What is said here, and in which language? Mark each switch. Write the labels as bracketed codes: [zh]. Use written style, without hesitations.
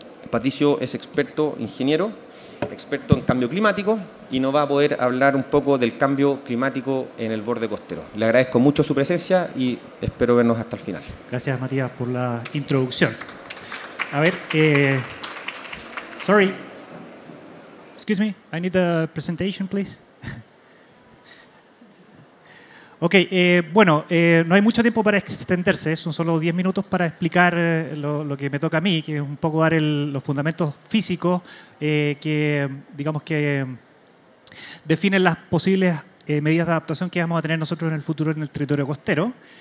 [es] Patricio es experto ingeniero, experto en cambio climático y nos va a poder hablar un poco del cambio climático en el borde costero. Le agradezco mucho su presencia y espero vernos hasta el final. Gracias, Matías, por la introducción. A ver, sorry. [en] Excuse me, I need the presentation, please. [es] Ok, bueno, no hay mucho tiempo para extenderse, son solo 10 minutos para explicar lo que me toca a mí, que es un poco dar los fundamentos físicos que, digamos que, definen las posibles medidas de adaptación que vamos a tener nosotros en el futuro en el territorio costero.